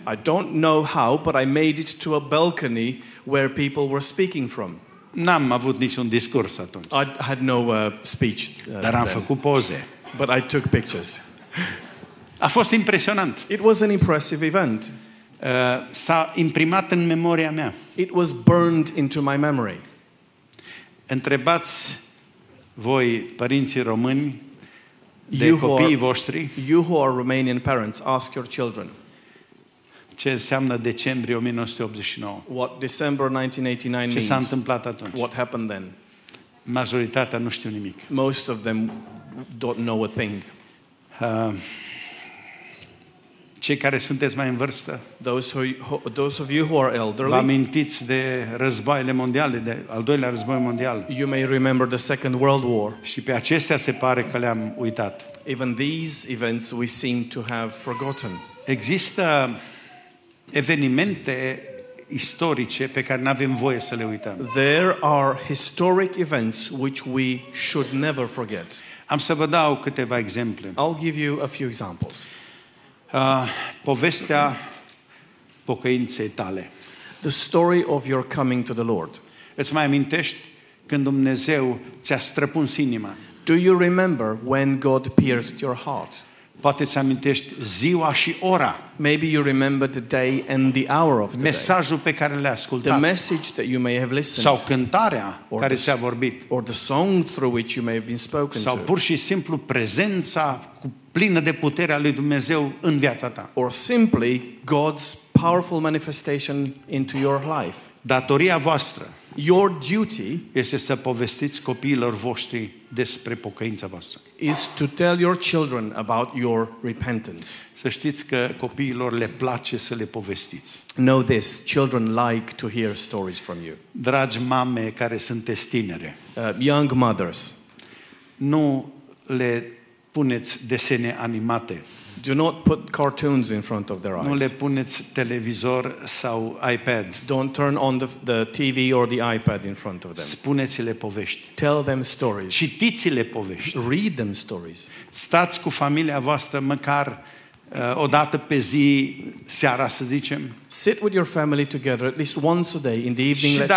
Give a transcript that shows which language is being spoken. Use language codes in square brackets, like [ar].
[en] I don't know how, but I made it to a balcony where people were speaking from. [ro] N-am avut niciun discurs atunci. [en] I had no speech. [ro] Dar am făcut poze. [en] But I took pictures. [ro] A fost impresionant. [en] It was an impressive event. [ro] S-a imprimat în memoria mea. [en] It was burned into my memory. [ro] Întrebați voi, părinții români, de copiii voștri. [en] You who are Romanian parents, ask your children. [ro] Ce înseamnă decembrie 1989? [en] What December 1989 means? [ro] Ce s-a întâmplat atunci? [en] What happened then? [ro] Majoritatea nu știu nimic. [en] Most of them don't know a thing. [ro] Cei care sunteți mai în vârstă, [en] those of you who are elderly, [ro] vă amintiți de războaiele mondiale, de al doilea război mondial. [en] You may remember the Second World War. [ro] Și pe acestea se pare că le-am uitat. [en] Even these events we seem to have forgotten. [ro] Există evenimente istorice pe care n-avem voie să le uităm. [en] There are historic events which we should never forget. [ro] Am să vă dau câteva exemple. [en] I'll give you a few examples. [ro] Povestea pocăinței tale. [en] The story of your coming to the Lord. [ro] Îți mai amintești când Dumnezeu ți-a străpuns inima? [en] Do you remember when God pierced your heart? [ro] Poate îți amintești ziua și ora? [en] Maybe you remember the day and the hour of the [ro] mesajul [en] day. [ro] Pe care l-ai ascultat. [en] The message that you may have listened. [ro] Sau cântarea care ți-a vorbit. [en] Or the song through which you may have been spoken [ro] sau [en] to. [ro] Sau pur și simplu prezența cu plină de puterea lui Dumnezeu în viața ta. [en] Or simply God's powerful manifestation into your life. [ro] Datoria voastră. [en] Your duty [ro] este să povestiți copiilor voștri despre pocăința voastră. [en] Is to tell your children about your repentance. [ro] Să știți că copiilor le place să le povestiți. [en] Know this, children like to hear stories from you. [ro] Dragi mame care sunteți tinere. [en] Young mothers. [ro] Nu le puneți desene animate. [en] Do not put cartoons in front of their eyes. [ro] Nu le puneți televizor sau iPad. [en] Don't turn on the TV or the iPad in front of them. [ro] Spuneți-le povești. [en] Tell them stories. [ro] Citiți-le povești. [en] Read them stories. [ro] Stați cu familia voastră măcar o dată pe zi, seara, să zicem. [en] Sit with your family together at least once a day in the evening, let's say.